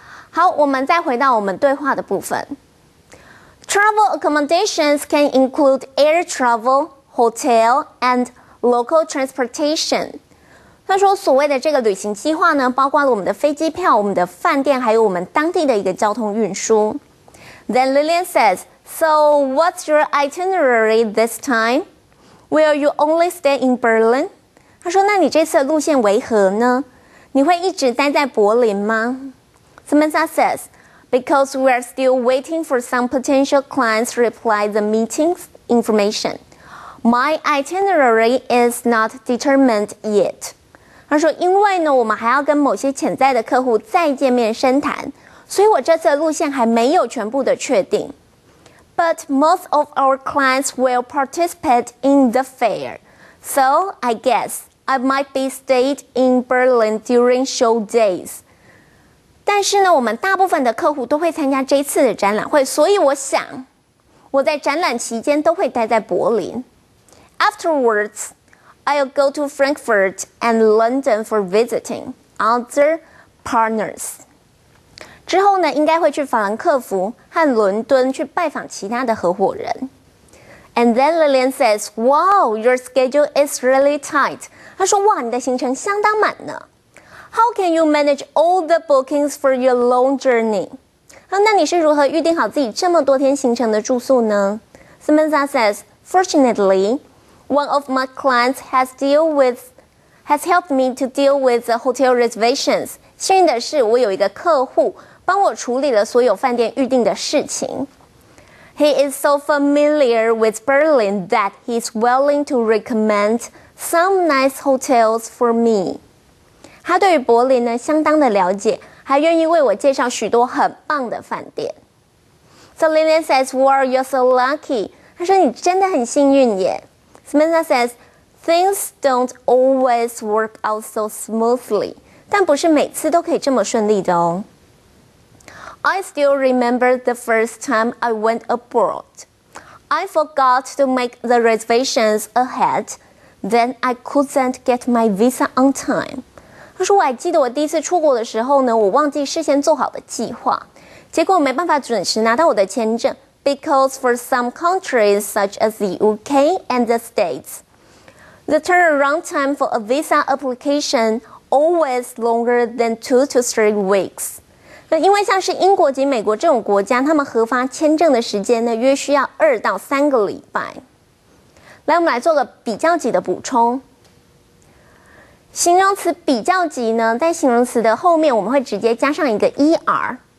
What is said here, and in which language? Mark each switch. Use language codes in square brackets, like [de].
[zh] 好，我们再回到我们对话的部分。 [en] Travel accommodations can include air travel, hotel, and local transportation。 [zh] 他说所谓的这个旅行计划呢，包括了我们的飞机票、我们的饭店，还有我们当地的一个交通运输。 [en] Then Lillian says, So what's your itinerary this time? Will you only stay in Berlin? [zh] 他说那你这次的路线为何呢？你会一直待在柏林吗？ [en] Samantha says, Because we're still waiting for some potential clients to reply the meeting's information. My itinerary is not determined yet. [zh] 他说因为呢我们还要跟某些潜在的客户再见面深谈，所以我这次的路线还没有全部的确定。 [en] But most of our clients will participate in the fair. So I guess I might be stayed in Berlin during show days. [zh] 但是呢我们大部分的客户都会参加这次的展览会，所以我想我在展览期间都会待在柏林。 [en] Afterwards,I'll go to Frankfurt and London for visiting other partners. [zh] 之后呢，应该会去法兰克福和伦敦去拜访其他的合伙人。 [en] And then Lillian says, "Wow, your schedule is really tight." [zh] 她说，哇，你的行程相当满呢。 [en] How can you manage all the bookings for your long journey? [zh] 那你是如何预定好自己这么多天行程的住宿呢？ [en] Samantha says, "Fortunately,One of my clients has helped me to deal with the hotel reservations. [zh] 幸运的是我有一个客户帮我处理了所有饭店预订的事情。 [en] He is so familiar with Berlin that he's willing to recommend some nice hotels for me. [zh] 他对于柏林呢相当的了解，还愿意为我介绍许多很棒的饭店。 [en] So Lillian says, Wow, you're so lucky. [zh] 他说你真的很幸运耶。 [en] Samantha says, things don't always work out so smoothly. [zh] 但不是每次都可以这么顺利的哦。 [en] I still remember the first time I went abroad. I forgot to make the reservations ahead. Then I couldn't get my visa on time. [zh] 他说我还记得我第一次出国的时候呢，我忘记事先做好的计划，结果没办法准时拿到我的签证。 [en] Because for some countries such as the UK and the States, the turnaround time for a visa application always longer than 2 to 3 weeks. [zh] 那因为像是英国及美国这种国家，他们核发签证的时间呢，约需要2到3个礼拜。来，我们来做个比较级的补充。形容词比较级呢，在形容词的后面我们会直接加上一个 er。